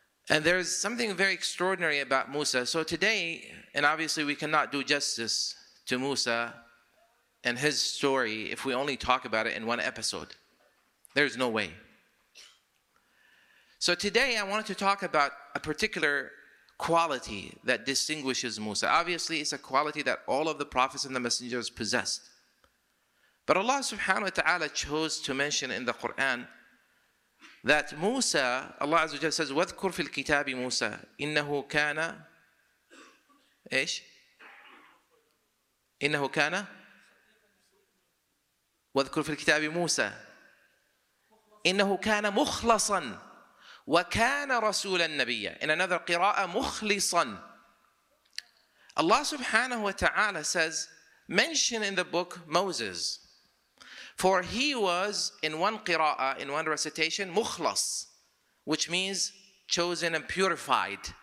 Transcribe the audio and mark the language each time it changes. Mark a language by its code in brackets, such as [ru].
[en] And there is something very extraordinary about Musa. So today, and obviously we cannot do justice to Musa and his story if we only talk about it in one episode. There's no way. So today I wanted to talk about a particular quality that distinguishes Musa. Obviously it's a quality that all of the prophets and the messengers possessed. But Allah subhanahu wa ta'ala chose to mention in the Quran that Musa, Allah Azza wa Jalla says, [ar] وَذْكُرْ فِي الْكِتَابِ مُوسَى إِنَّهُ كَانَ إيش؟ إِنَّهُ كَانَ وَذْكُرْ فِي الْكِتَابِ مُوسَى إِنَّهُ كَانَ مُخْلَصًا وَكَانَ رَسُولًا نَبِيًّا. [en] In another qira'ah, مُخْلِصًا. Allah subhanahu wa ta'ala says, mention in the book Moses. For he was, in one qira'ah, in one recitation, mukhlas, which means chosen and purified.